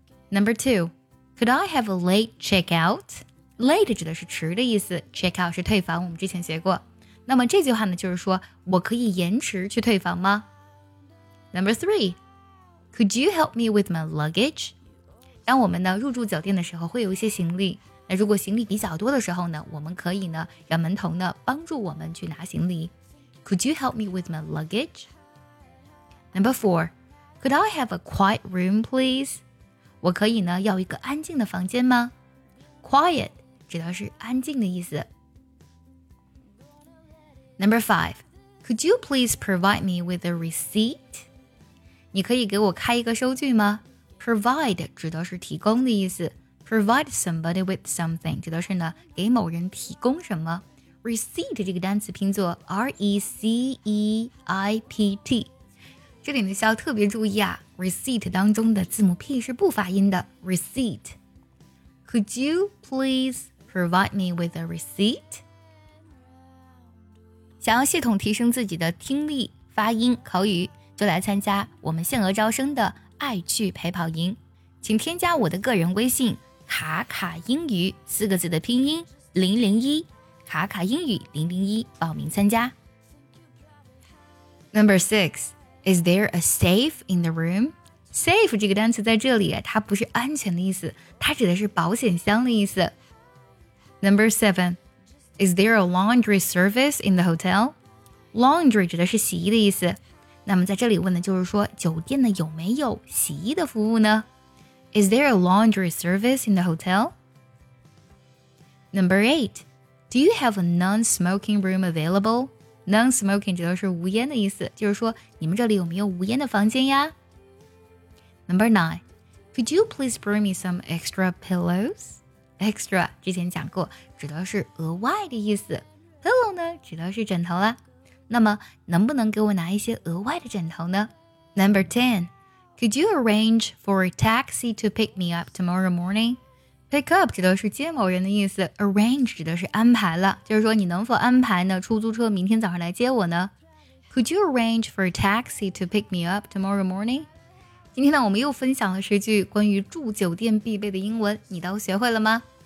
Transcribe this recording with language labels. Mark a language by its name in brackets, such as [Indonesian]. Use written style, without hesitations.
[English] Number two, could I have a late checkout? [Chinese] Late 指的是迟的意思， checkout 是退房，我们之前学过。那么这句话呢就是说我可以延迟去退房吗？ [English] Number threeCould you help me with my luggage? [Chinese] 当我们呢入住酒店的时候会有一些行李，那如果行李比较多的时候呢，我们可以呢让门童呢帮助我们去拿行李。 [English] Could you help me with my luggage? Number four, could I have a quiet room, please? [Chinese] 我可以呢要一个安静的房间吗？ Quiet 指的是安静的意思。 [English] Number five, could you please provide me with a receipt? [Chinese] 你可以给我开一个收据吗？ Provide 指的是提供的意思， [English] Provide somebody with something [Chinese] 指的是呢给某人提供什么。 Receipt 这个单词拼作 R-E-C-E-I-P-T， 这里呢需要特别注意啊， Receipt 当中的字母 P 是不发音的。 [English] Receipt， Could you please provide me with a receipt? [Chinese] 想要系统提升自己的听力、发音、口语，就来参加我们限额招生的爱趣陪跑营，请添加我的个人微信卡卡英语四个字的拼音001，卡卡英语001报名参加。 [English] Number six, is there a safe in the room? [Chinese] Safe 这个单词在这里它不是安全的意思，它指的是保险箱的意思。 [English] Number seven, is there a laundry service in the hotel? [Chinese] Laundry 指的是洗衣的意思，那么在这里问的就是说酒店呢有没有洗衣的服务呢？ [English] Is there a laundry service in the hotel? Number 8, do you have a non-smoking room available? [Chinese] Non-smoking 指的是无烟的意思，就是说你们这里有没有无烟的房间呀？ [English] Number 9, could you please bring me some extra pillows? [Chinese] Extra 之前讲过指的是额外的意思， pillow 呢指的是枕头啦。那么能不能给我拿一些额外的枕头呢？ [English] Number 10, could you arrange for a taxi to pick me up tomorrow morning? [Chinese] Pick up 指的是接某人的意思， arrange 指的是安排了，就是说你能否安排呢出租车明天早上来接我呢？ [English] Could you arrange for a taxi to pick me up tomorrow morning? [Chinese] 今天呢我们又分享了十句关于住酒店必备的英文，你都学会了吗？